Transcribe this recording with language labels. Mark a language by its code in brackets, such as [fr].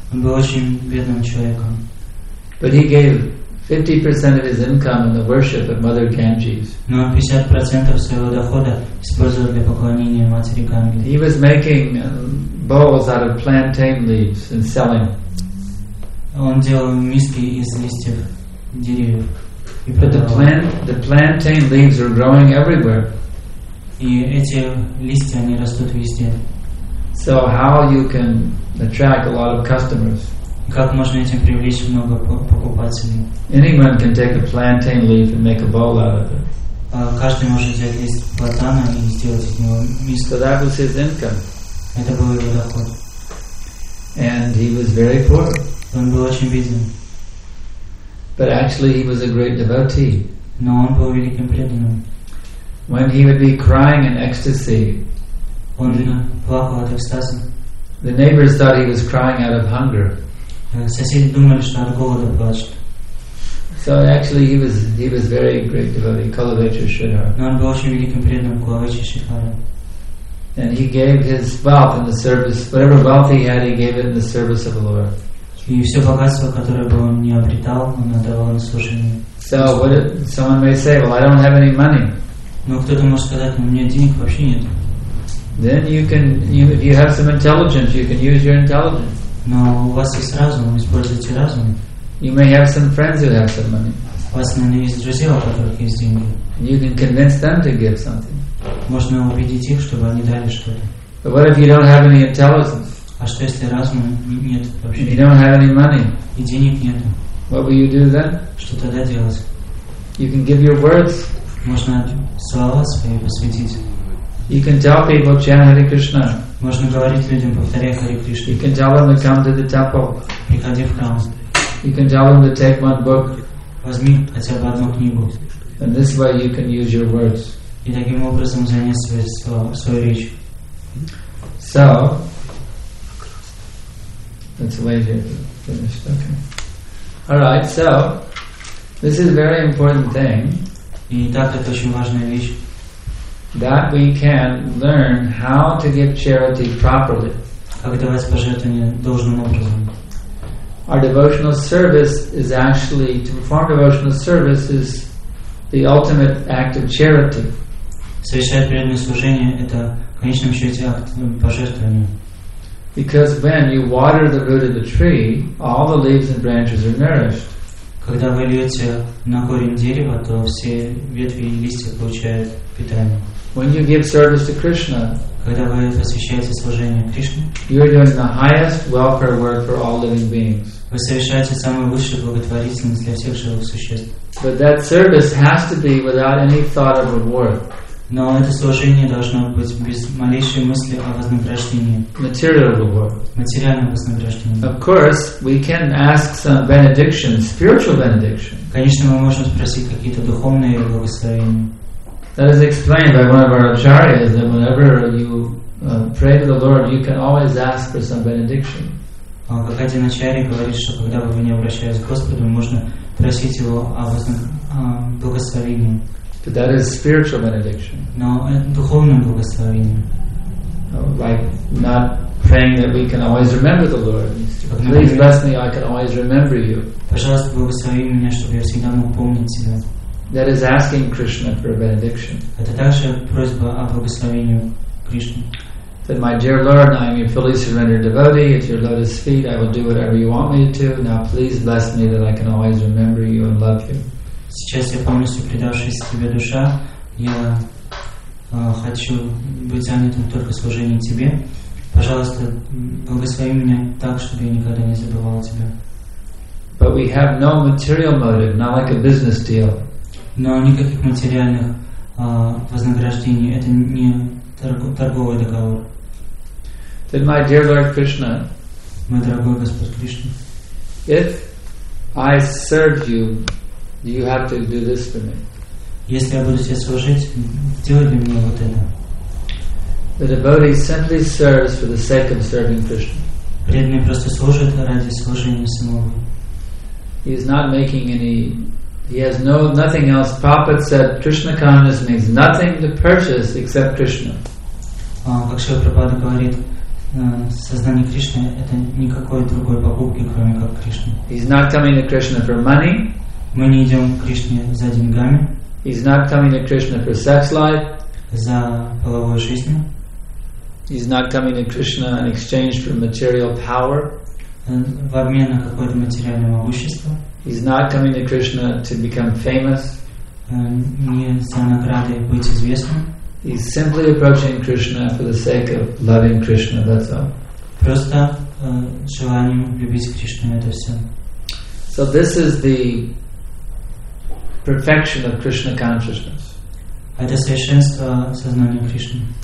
[ru] Он был очень бедным человеком. [en] But he gave 50% of his income in the worship of Mother Ganges. [ru] Но 50% своего дохода использовал для поклонения матери Ганги. [en] He was making bowls out of plantain leaves and selling. [ru] Он делал миски из листьев деревьев. [en] But the plantain leaves were growing everywhere. [ru] И эти листья, они растут везде. [en] So how you can attract a lot of customers? [ru] Как можно этим привлечь много покупателей? [en] Anyone can take a plantain leaf and make a bowl out of it. [ru] Каждый может взять лист платана и сделать из него миску. [en] So that was his income. [ru] Это был его доход. [en] And he was very poor. [ru] Он был очень беден. [en] But actually he was a great devotee. [ru] Но он был великим преданным. [en] When he would be crying in ecstasy, the neighbors thought he was crying out of hunger. So actually he was very great devotee, Kulavecha Sridhar. And he gave his wealth in the service, whatever wealth he had, he gave it in the service of the Lord. [ru] И все богатство, которое бы он не обретал, он отдавал на служение. [en] So what if someone may say, well, I don't have any money. [ru] Но кто-то может сказать, у меня денег вообще нет. [en] Then you can, if you have some intelligence, you can use your intelligence. [ru] Но у вас есть разум, используйте разум. [en] You may have some friends who have some money. [ru] У вас, наверное, есть друзья, у которых есть деньги. [en] You can convince them to give something. [ru] Можно убедить их, чтобы они дали что-то. [en] But what if you don't have any intelligence? [ru] А что если разума нет вообще? [en] You don't have any money. [ru] И денег нет. [en] What will you do then? [ru] Что тогда делать? [en] You can give your words. [ru] Можно слова свои посвятить. [en] You can tell people chant Hare Krishna. [ru] Можно говорить людям, повторяя Hare Krishna. [en] You can tell them to come to the temple. [ru] Приходи в храм. [en] You can tell them to take one book. [ru] Возьми хотя бы одну книгу. [en] And this way you can use your words. [ru] И таким образом занять свою речь. [en] So let's wait here to finish. Okay. All right. So this is a very important thing. [ru] И так это очень важная вещь. [en] That we can learn how to give charity properly. [ru] Как давать пожертвования должным образом. [en] Our devotional service is actually to perform devotional service is the ultimate act of charity. [ru] Совершать преданное служение – это в конечном счете акт пожертвования. [en] Because when you water the root of the tree, all the leaves and branches are nourished. [ru] Когда вы льете на корень дерева, то все ветви и листья получают питание. [en] When you give service to Krishna, [ru] когда вы посвящаете служение Кришне, [en] you are doing the highest welfare work for all living beings. [ru] Вы совершаете самую высшую благотворительность для всех живых существ. [en] But that service has to be without any thought of reward. [ru] Но это служение должно быть без малейшей мысли о вознаграждении. [en] Material reward. [ru] Материальное вознаграждение. [en] Of course, we can ask some benediction, spiritual benediction. [ru] Конечно, мы можем спросить какие-то духовные благословения. [en] That is explained by one of our acharyas that whenever you pray to the Lord, you can always ask for some benediction. [ru] Как один ачарья говорит, что когда вы не обращаетесь к Господу, можно просить его о благословении. [en] But that is spiritual benediction. [ru] Но это духовное благословение. [en] Like not praying that we can always remember the Lord. Please bless me, I can always remember you. [ru] Пожалуйста, благослови меня, чтобы я всегда мог помнить тебя. [en] That is asking Krishna for a benediction. [ru] Это также просьба о благословении Кришне. [en] That my dear Lord, I am your fully surrendered devotee at your lotus feet. I will do whatever you want me to. Now please bless me that I can always remember you and love you. [ru] Сейчас я полностью предавшись тебе душа, я хочу быть занятым только служением тебе. Пожалуйста, благослови меня так, чтобы я никогда не забывал тебя. [en] But we have no material motive, not like a business deal. [ru] Но никаких материальных вознаграждений. Это не торговый договор. [en] Then my dear Lord Krishna, [ru] мой дорогой Господь Кришна, [en] if I serve you, you have to do this for me. [ru] Если я буду тебе служить, делай для меня вот это. [en] The devotee simply serves for the sake of serving Krishna. [ru] Преданный просто служит ради служения самого. [en] He is not making any. He has no nothing else. Prabhupada said Krishna consciousness means nothing to purchase except Krishna. [ru] Как Шрила Прабхупада говорит, сознание Кришны это никакой другой покупки, кроме как Кришна. [en] He's not coming to Krishna for money. [ru] Мы не идем к Кришне за деньгами. [en] He's not coming to Krishna for sex life. [ru] За половую жизнь. [en] He's not coming to Krishna in exchange for material power. [ru] В обмен на какое-то материальное могущество. [en] He's not coming to Krishna to become famous. [ru] Не за награды быть известным. [en] He's simply approaching Krishna for the sake of loving Krishna, that's all. [ru] Просто желанием любить Кришну, это все. [en] So this is the perfection of Krishna consciousness. [ru] Это совершенство сознания Кришны.